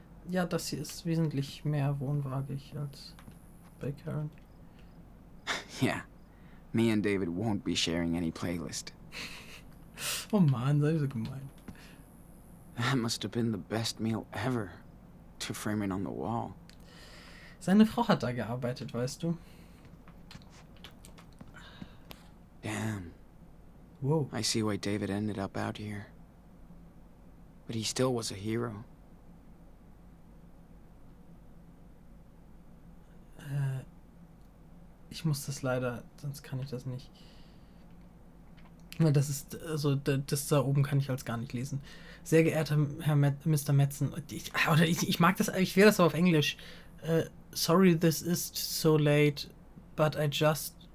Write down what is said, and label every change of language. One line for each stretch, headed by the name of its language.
German: Ja, das hier ist wesentlich mehr wohnwagig als bei Karen.
English: Yeah. Me and David won't be sharing any playlist.
German: Oh man, das ist so gemein.
English: That must have been the best meal ever, to frame it on the wall.
German: Seine Frau hat da gearbeitet, weißt du?
English: Damn. Whoa. I see why David ended up out here. But he still was a hero.
German: Ich muss das leider, sonst kann ich das nicht. Weil das ist, also das da oben kann ich als gar nicht lesen. Sehr geehrter Herr Mr. Metzen, ich mag das, ich will das aber auf Englisch.
English: Sorry, this is so late, but I just...